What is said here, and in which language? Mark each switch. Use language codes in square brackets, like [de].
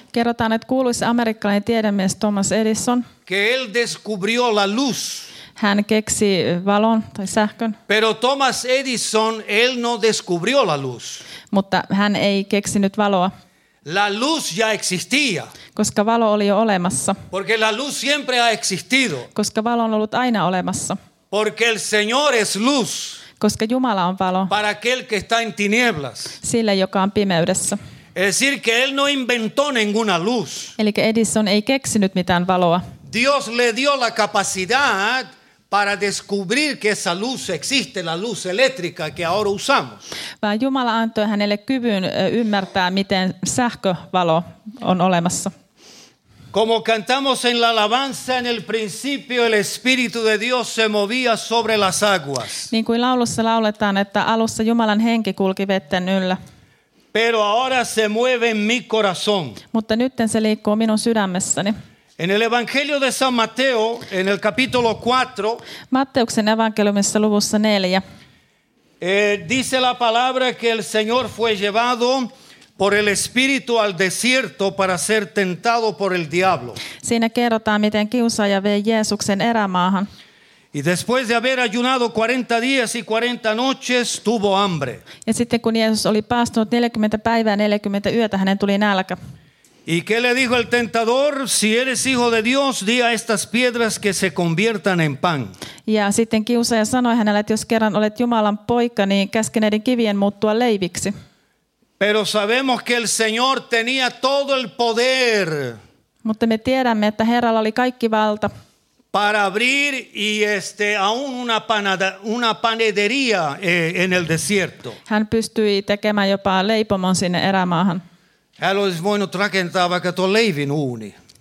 [fi] Kerrotaan, että kuuluisa amerikkalainen tiedemies Thomas Edison. [es] Que él descubrió la luz. [fi] Hän keksi valon tai sähkön. [es] Pero Thomas Edison, él no descubrió la luz. [fi] Mutta hän ei keksinyt valoa. [es] La luz ya existía. [fi] Koska valo oli jo olemassa. [es] Porque la luz siempre ha existido. [fi] Koska valo on ollut aina olemassa. [es] Porque el Señor es luz. [fi] Koska Jumala on valo. [es] Para aquel que está en tinieblas. [fi] Sille, joka on pimeydessä. [es] Es decir, que él no inventó ninguna luz. [fi] Eli Edison ei keksinyt mitään valoa. [es] Dios le dio la capacidad para descubrir que esa luz existe, la luz eléctrica que ahora usamos. [fi] Vaan Jumala antoi hänelle kyvyn ymmärtää, miten sähkövalo on olemassa. [es] Como cantamos en la alabanza, en el principio el Espíritu de Dios se movía sobre las aguas. [fi] Niin kuin laulussa lauletaan, että alussa Jumalan henki kulki vetten yllä. [es] Pero ahora se mueve en mi corazón. [fi] Mutta nytten se liikkuu minun sydämessäni. [es] En el Evangelio de San Mateo, en el capítulo 4, [fi] Matteuksen evankeliumissa luvussa 4, [es] dice la palabra que el Señor fue llevado por el Espíritu al desierto para ser tentado por el diablo. [fi] Siinä kerrotaan, miten kiusaaja vei Jeesuksen erämaahan. [es] Y después de haber ayunado 40 días y 40 noches, tuvo hambre. [fi] Ja sitten kun Jeesus oli paastunut 40 päivää 40 yötä, hänen tuli nälkä. [es] ¿Y qué le dijo el tentador? Si eres hijo de Dios, di a estas piedras que se conviertan en pan. [fi] Ja sitten kiusaaja sanoi hänelle, että jos kerran olet Jumalan poika, niin käske näiden kivien muuttua leiviksi. [es] Pero sabemos que el Señor tenía todo el poder. [fi] Mutta me tiedämme, että Herralla oli kaikki valta. [es] Para abrir y aún una panadería en el desierto. [fi] Hän pystyi tekemään jopa leipomon sinne erämaahan. Hän olisi voinut rakentaa vaikka tuon leivin uuni.